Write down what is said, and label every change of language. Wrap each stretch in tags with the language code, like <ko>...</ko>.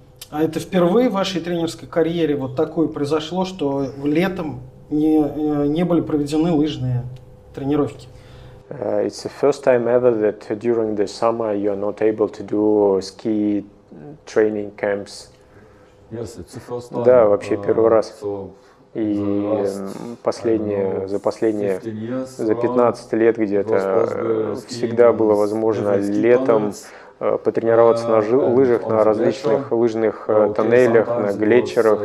<ru>А это впервые в вашей тренерской карьере вот такое произошло, что летом не были проведены лыжные тренировки?</ru> <en>It's the first time ever that during the summer you are not able to do ski training camps. Yes, it's the first time.</en> <ru>Да, вообще первый раз. И за 15 лет где-то всегда было возможно летом потренироваться на лыжах, на различных лыжных тоннелях, на глетчерах.</ru>